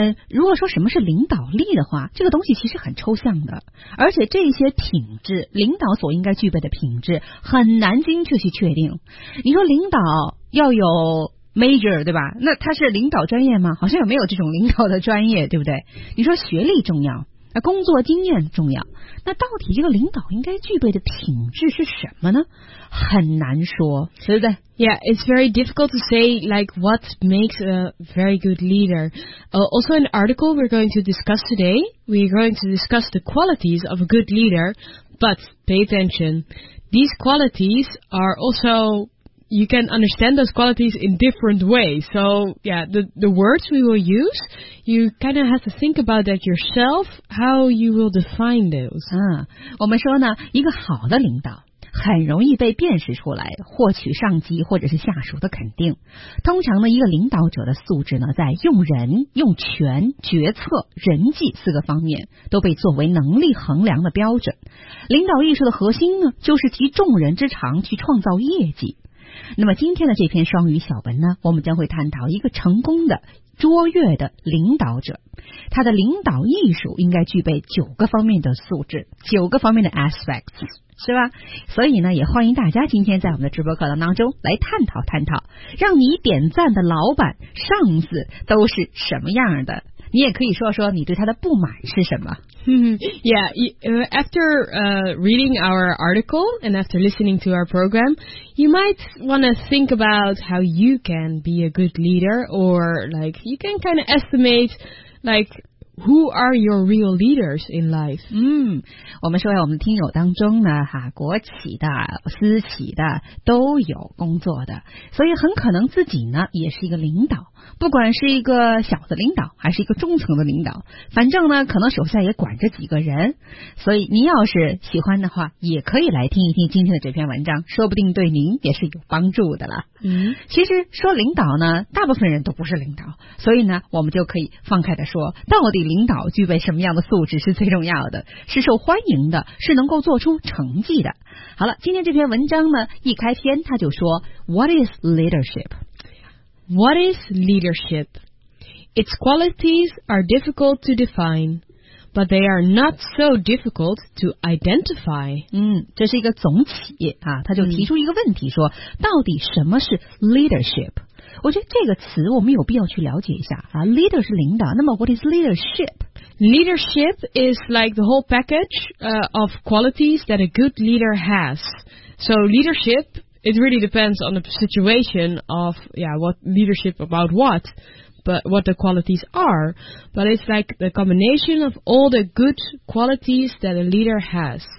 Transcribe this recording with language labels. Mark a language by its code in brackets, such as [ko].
[zh] 如果说什么是领导力的话，这个东西其实很抽象的，而且这些品质，领导所应该具备的品质很难精确去确定。你说领导要有Major, 对吧？那他是领导专业吗？好像也没有这种领导的专业，对不对？你说学历重要，那工作经验重要，那到底这个领导应该具备的品质是什么呢？很难说，对不对？ [en] Yeah, it's very difficult to say like what makes a very good leader. Also an article we're going to discuss today, we're going to discuss the qualities of a good leader, but pay attention. These qualities are also... You can understand those qualities in different ways. So, yeah, the words we will use, you kind of have to think about that yourself, how you will define those. [zh] 我们说呢，一个好的领导很容易被辨识出来，获取上级或者是下属的肯定。通常呢，一个领导者的素质呢，在用人、用权、决策、人际四个方面都被作为能力衡量的标准。领导意识的核心呢，就是集众人之长去创造业绩。那么今天的这篇双语小文呢，我们将会探讨一个成功的、卓越的领导者，他的领导艺术应该具备九个方面的素质，九个方面的 aspects， 是吧？所以呢，也欢迎大家今天在我们的直播课堂当中来探讨探讨，让你点赞的老板、上司都是什么样的？你也可以说说你对他的不满是什么。 [en] Yeah, after reading our article and after listening to our program, you might want to think about how you can be a good leader or like you can kind of estimate like Who are your real leaders in life? [zh] 我们说呀，我们听友当中呢，国企的、私企的都有工作的，所以很可能自己呢也是一个领导，不管是一个小的领导还是一个中层的领导，反正呢可能手下也管着几个人。所以您要是喜欢的话，也可以来听一听今天的这篇文章，说不定对您也是有帮助的了。其实说领导呢，大部分人都不是领导，所以呢我们就可以放开的说，到底领导具备什么样的素质是最重要的，是受欢迎的，是能够做出成绩的。好了，今天这篇文章呢一开篇他就说 [en] What is leadership? What is leadership? Its qualities are difficult to define, but they are not so difficult to identify. [zh] 这是一个总体啊，他就提出一个问题说，到底什么是 leadership? 我觉得这个词我们有必要去了解一下啊。 Leader 是领导，那么 [en] what is leadership? Leadership is like the whole package, of qualities that a good leader has. So leadershipIt really depends on the situation of, yeah, what leadership about what, but what the qualities are. But it's like the combination of all the good qualities that a leader has.